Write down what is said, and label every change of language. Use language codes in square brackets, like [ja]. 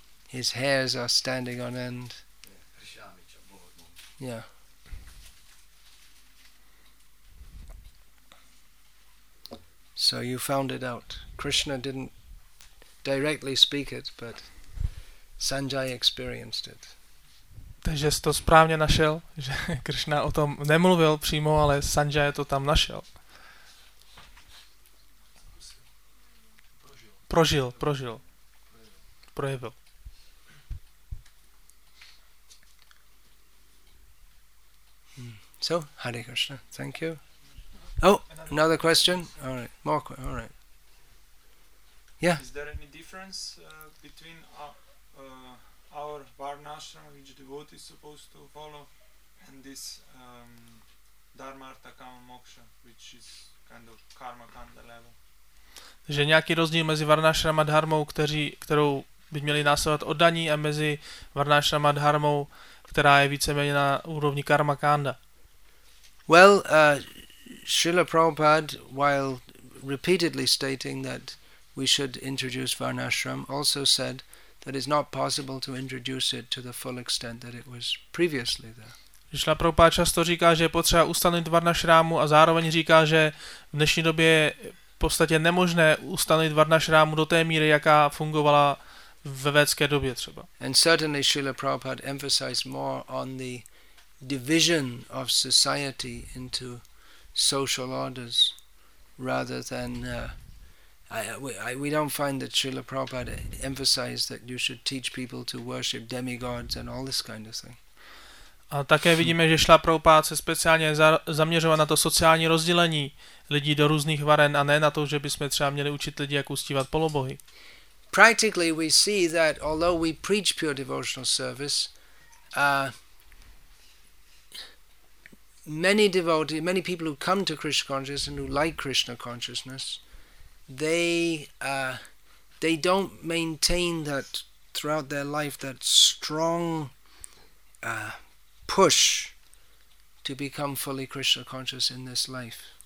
[en] His hairs are standing on end. Yeah. So you found it out. Krishna didn't directly speak it, but Sanjay experienced it. [cs] Takže jsi to správně našel, že Krishna o tom nemluvil přímo, ale Sanjay to tam našel. Prožil. Projevil. [en] So, Hare Krishna. Thank you. Oh, another question? All right. More questions. All right. Yeah. Is there any difference between our Varnashram, which devotee is supposed to follow, and this Dharmartha Kama Moksha, which is kind of Karma Kanda level? [cs] Takže nějaký rozdíl mezi Varnashram a Dharmou, kterou by měli následovat oddaní, a mezi Varnashram a Dharmou, která je víceméně na úrovni Karma Kanda? [en] Well, Srila Prabhupada, while repeatedly stating that we should introduce Varnashram, also said that it's not possible to introduce it to the full extent that it was previously there. [cs] Srila Prabhupada často říká, že je potřeba ustanovit Varnashramu, a zároveň říká, že v dnešní době je v podstatě nemožné ustanovit Varnashramu do té míry, jaká fungovala ve védské době třeba. [en] And certainly Srila Prabhupada emphasized more on the division of society into social orders rather than We don't find that Srila Prabhupada emphasized that you should teach people to worship demigods and all this kind of thing. [cs] A také vidíme, že Srila Prabhupada se speciálně zaměřoval na to sociální rozdělení lidí do různých varen a ne na to, že bychom třeba měli učit lidi, jak uctívat polobohy. [en] Practically we see that although we preach pure devotional service, many devotees, many people who come to Krishna consciousness and who like Krishna consciousness, they don't maintain that throughout their life, that strong push to become fully Krishna conscious in this life.